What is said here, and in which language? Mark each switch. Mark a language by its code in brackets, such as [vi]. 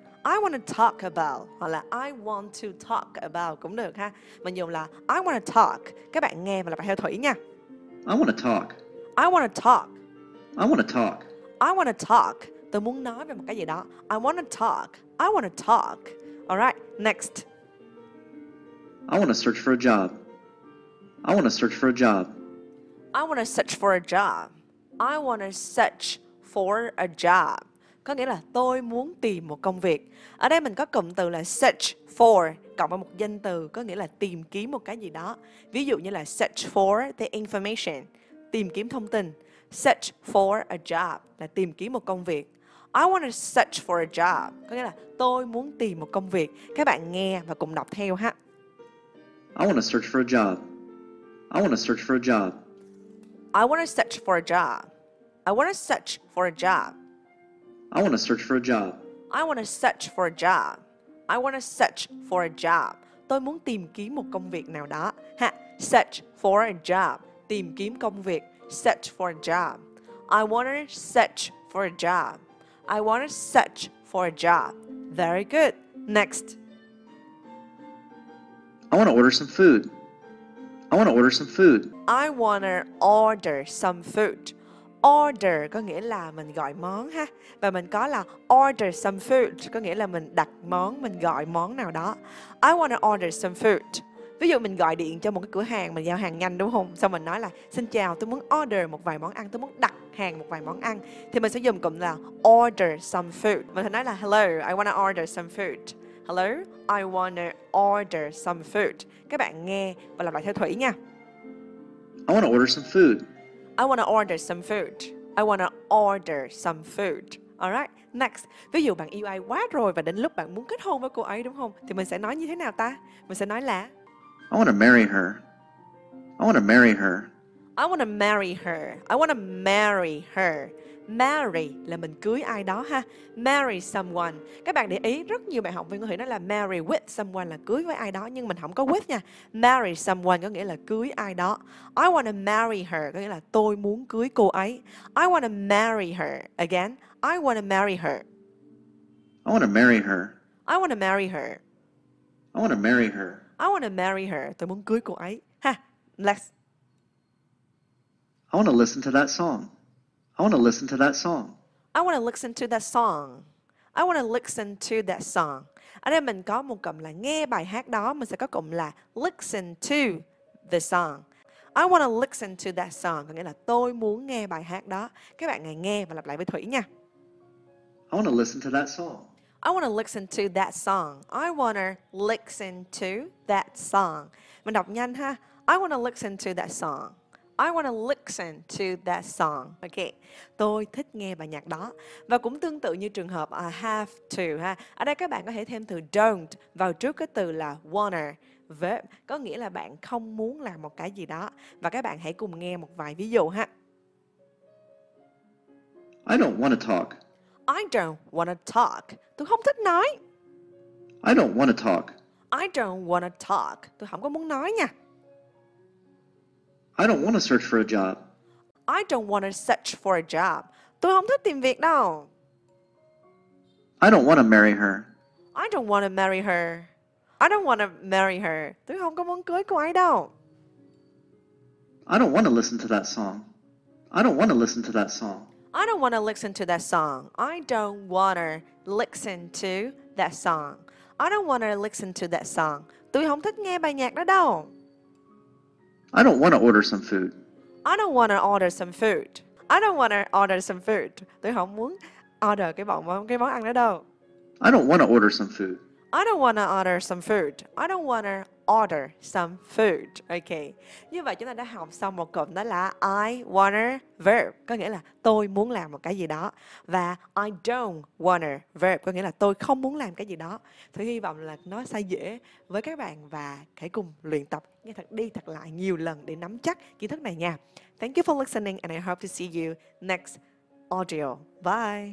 [en] I want to talk about. [vi] Hoặc là [en] I want to talk about [vi] cũng được ha. Mình dùng là [en] I want to talk. [vi] Các bạn nghe và lặp theo Thủy nha. [en] I want to talk. I want to talk. I want to talk. I want to talk. [vi] Tôi muốn nói về một cái gì đó. [en] I want to talk. I want to talk. All right, next. I want to search for a job. I want to search for a job. I want to search for a job. I want to search for a job. [vi] Có nghĩa là tôi muốn tìm một công việc. Ở đây mình có cụm từ là search for cộng với một danh từ có nghĩa là tìm kiếm một cái gì đó. Ví dụ như là [en] search for the information, [vi] tìm kiếm thông tin. [en] Search for a job [vi] là tìm kiếm một công việc. [en] I want to search for a job [vi] có nghĩa là tôi muốn tìm một công việc. Các bạn nghe và cùng đọc theo ha. [en] I want to search for a job. I want to search for a job. I want to search for a job. I want to search for a job. I want to search for a job. I want to search for a job. I want to search for a job. [vi] Tôi muốn tìm kiếm một công việc nào đó. Ha. [en] Search for a job. [vi] Tìm kiếm công việc. [en] Search for a job. I want to search for a job. I want to search for a job. Very good. Next. I want to order some food. I want to order some food. I want to order some food. [vi] Order có nghĩa là mình gọi món ha. Và mình có là [en] order some food [vi] có nghĩa là mình đặt món, mình gọi món nào đó. [en] I want to order some food. [vi] Ví dụ mình gọi điện cho một cái cửa hàng mình giao hàng nhanh đúng không? Xong mình nói là xin chào, tôi muốn order một vài món ăn, tôi muốn đặt hàng một vài món ăn. Thì mình sẽ dùng cụm là order some food. Mình sẽ nói là [en] hello, I want to order some food. Hello, I want to order some food. [vi] Các bạn nghe và làm lại theo Thủy nha. [en] I want to order some food. I want to order some food. I want to order some food. Alright, next. [vi] Ví dụ bạn yêu ai quá rồi và đến lúc bạn muốn kết hôn với cô ấy đúng không? Thì mình sẽ nói như thế nào ta? Mình sẽ nói là [en] I want to marry her. I want to marry her. I want to marry her. I want to marry her. [vi] Marry là mình cưới ai đó ha. Marry someone. Các bạn để ý rất nhiều bạn học viên có thể nói là [en] marry with someone [vi] là cưới với ai đó. Nhưng mình không có with nha. [en] Marry someone [vi] có nghĩa là cưới ai đó. [en] I want to marry her [vi] có nghĩa là tôi muốn cưới cô ấy. [en] I want to marry her. Again, I want to marry her. I want to marry her. I want to marry her. I want to marry her. I want to marry her. [vi] Tôi muốn cưới cô ấy ha. [en] Let's. I want to listen to that song. I want to listen to that song. I want to listen to that song. I want to listen to that song. [vi] Ở đây mình có một cụm là nghe bài hát đó, mình sẽ có cụm là listen to the song. [en] I want to listen to that song, [vi] có nghĩa là tôi muốn nghe bài hát đó. Các bạn hãy nghe và lặp lại với Thủy nha. [en] I want to listen to that song. I want to listen to that song. I want to listen to that song. [vi] Mình đọc nhanh ha. [en] I want to listen to that song. I want to listen to that song. Okay. [vi] Tôi thích nghe bài nhạc đó. Và cũng tương tự như trường hợp [en] I have to [vi] ha. Ở đây các bạn có thể thêm từ don't vào trước cái từ là wanna verb có nghĩa là bạn không muốn làm một cái gì đó. Và các bạn hãy cùng nghe một vài ví dụ ha. [en] I don't want to talk. I don't want to talk. [vi] Tôi không thích nói. [en] I don't want to talk. I don't want to talk. [vi] Tôi không có muốn nói nha. [en] I don't want to search for a job. I don't want to search for a job. [vi] Tôi không thích tìm việc đâu. [en] I don't want to marry her. I don't want to marry her. I don't want to marry her. [vi] Tôi không có muốn cưới cô ấy đâu. [en] I don't want to listen to that song. I don't want to listen to that song. I don't want to listen to that song. I don't want to listen to that song. I don't want to listen to that song. [vi] Tôi không thích nghe bài nhạc đó đâu. [en] I don't want to order some food. I don't want to order some food. I don't want to order some food. [vi] Tôi không muốn order cái món ăn đó đâu. [en] I don't want to order some food. I don't want to order some food. I don't want to order some food. Okay. [vi] Như vậy chúng ta đã học xong một cụm đó là [en] I want a verb, [vi] có nghĩa là tôi muốn làm một cái gì đó. Và [en] I don't want a verb, [vi] có nghĩa là tôi không muốn làm cái gì đó. Thủy hy vọng là nó sẽ dễ với các bạn và hãy cùng luyện tập nghe thật đi thật lại nhiều lần để nắm chắc kiến thức này nha. [en] Thank you for listening and I hope to see you next audio. Bye.